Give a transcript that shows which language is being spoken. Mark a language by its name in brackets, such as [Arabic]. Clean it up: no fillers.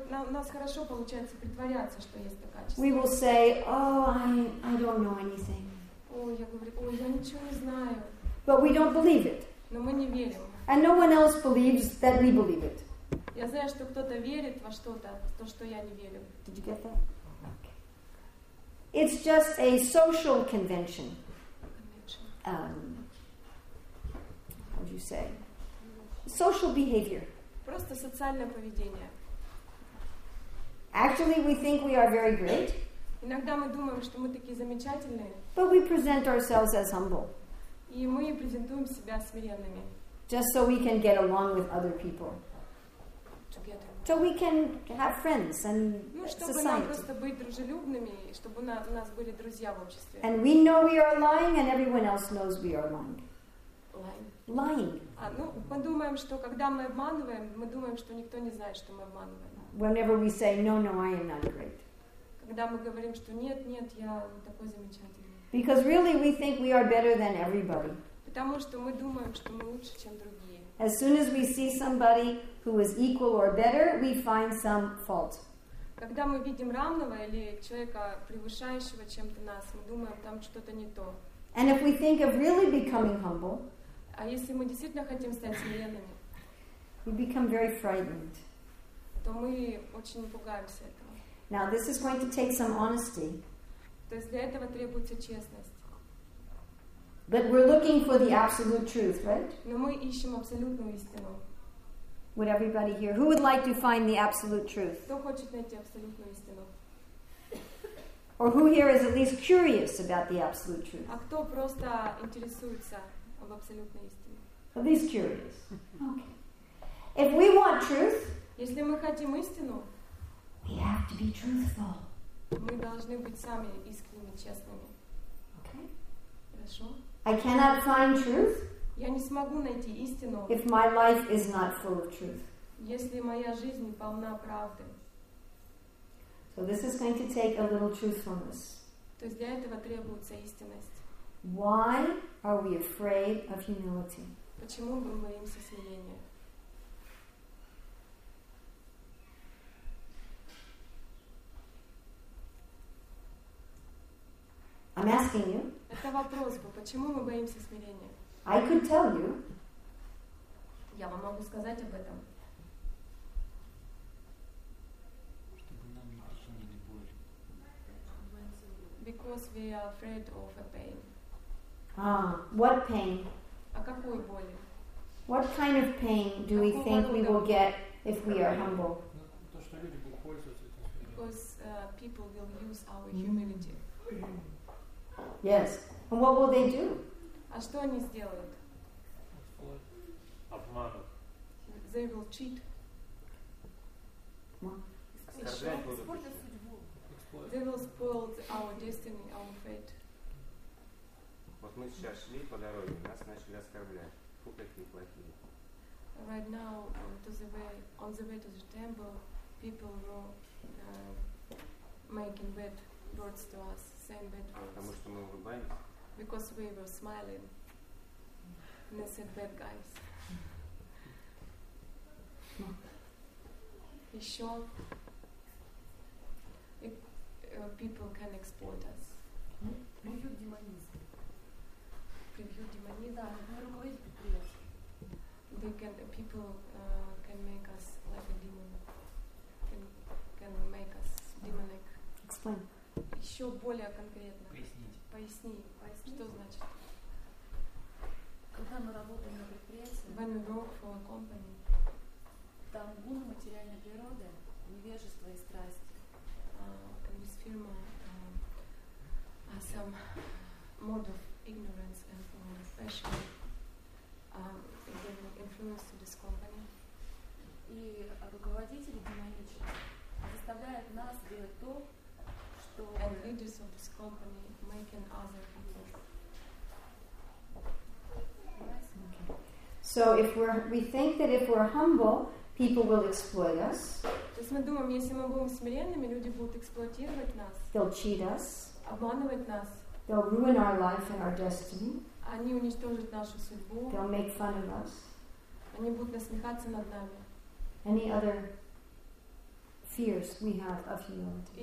[Russian] Нас хорошо получается притворяться, что есть это качество. [English] We will say, oh, I don't know anything. [Russian] Ой, я говорю, ой, я ничего не знаю. [English] But we don't believe it. [Russian] Но мы не верим. [English] And no one else believes that we believe it. [Russian] Я знаю, что кто-то верит во что-то, то, что я не верю. [English] Did you get that? Okay. It's just a social convention. How do you say? Social behavior. [Russian] Просто социальное поведение. [English] Actually, we think we are very great. [Russian] Иногда мы думаем, что мы такие замечательные. [English] But we present ourselves as humble. [Russian] И мы презентуем себя смиренными. [English] Just so we can get along with other people. Together. So we can have friends and society. [Russian] Чтобы нам просто быть дружелюбными, чтобы у нас были друзья в обществе. [English] And we know we are lying, and everyone else knows we are lying. Lying. [Russian] Мы думаем, что когда мы обманываем, мы думаем, что никто не знает, что мы обманываем. [English] Whenever we say, no, I am not great. [Russian] Когда мы говорим, что нет, я такой замечательный. [English] Because really we think we are better than everybody. [Russian] Потому что мы думаем, что мы лучше, чем другие. [English] As soon as we see somebody who is equal or better, we find some fault. [Russian] Когда мы видим равного или человека превышающего чем-то нас, мы думаем, там что-то не то. [English] And if we think of really becoming humble, [Russian] а если мы действительно хотим стать смиренными, [English] we become very frightened. [Russian] То мы очень пугаемся этого. [English] Now this is going to take some honesty. [Russian] То есть для этого требуется честность. [English] But we're looking for the absolute truth, right? [Russian] Но мы ищем абсолютную истину. [English] Would everybody here, who would like to find the absolute truth? [Russian] Кто хочет найти абсолютную истину? [English] Or who here is at least curious about the absolute truth? [Russian] А кто просто интересуется об абсолютной истине? [English] At least curious. Okay. If we want truth, [Russian] если мы хотим истину, [English] we have to be truthful. [Russian] Мы должны быть сами искренними, честными. [English] Okay. [Russian] Хорошо. [English] I cannot find truth. [Russian] Я не смогу найти истину. [English] If my life is not full of truth. [Russian] Если моя жизнь полна правды. [English] So this is going to take a little truthfulness. [Russian] То есть для этого требуется истинность. [English] Why are we afraid of humility? [Russian] Почему мы боимся смирения? [English] I'm asking you. [Russian] Это вопрос, почему мы боимся смирения? [English] I could tell you. [Russian] Я вам могу сказать об этом. Чтобы нам не причинили боль. [English] Because we are afraid of a pain. What pain? [Russian] А какой боли? [English] What kind of pain do we think we will get if we are humble? [Russian] То, что люди будут пользоваться этим. [English] Because people will use our humility. Yes. And what will they do? [Russian] А что они сделают? Обманут. [English] They will cheat. They will spoil our destiny, our fate. [Russian] Вот мы сейчас шли по дороге, нас начали оскорблять. Фу, какие плохие. [English] Right now, on the way to the temple, people were making bad words to us, saying bad words. [Russian] Потому что мы улыбаемся. [English] Because we were smiling, and they said, "Bad guys." [Russian] Еще [English] people can exploit us. [Russian] Привьют демонизм. Привьют демонизм. Да, руководить предприятием. [English] They can people can make us like a demon. Can make us demonic. Explain. [Russian] Еще более конкретно. Пояснить. Поясни. Поясни. Что значит? Когда мы работаем на предприятии, [English] when we work for a company, [Russian] там гул материальной природы, невежество и страсть. [English] In this firm, some mode of ignorance and passion giving influence to this company. [Russian] И руководители демоничны заставляют нас делать то, [English] and leaders of this company making other people. Okay. So if we think that if we're humble, people will exploit us. [Russian] То есть мы думаем, если мы будем смиренными, люди будут эксплуатировать нас. [English] They'll cheat us. [Russian] Обманывать нас. [English] They'll ruin our life and our destiny. [Russian] Они уничтожат нашу судьбу. [English] They'll make fun of us. [Russian] Они будут насмехаться над нами. [English] Any other fears we have of humility.